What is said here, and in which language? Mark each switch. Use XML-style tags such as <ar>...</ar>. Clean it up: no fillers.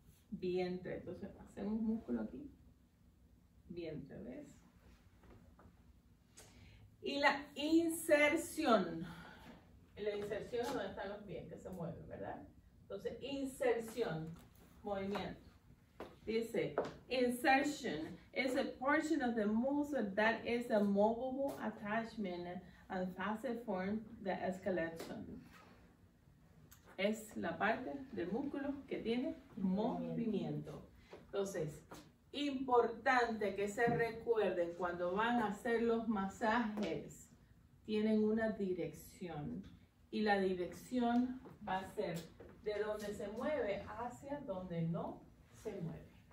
<es>Vientre, entonces hacemos músculo aquí. Vientre, ¿ves? Y la inserción. La inserción es donde están los pies que se mueven, ¿verdad? Entonces, inserción, movimiento.</es> <en>Dice, insertion is a portion of the muscle that is a movable attachment and facet form the skeleton.</en> <es>Es la parte del músculo que tiene movimiento. Entonces, importante que se recuerden cuando van a hacer los masajes, tienen una dirección y la dirección va a ser de donde se mueve hacia donde no se mueve.</es>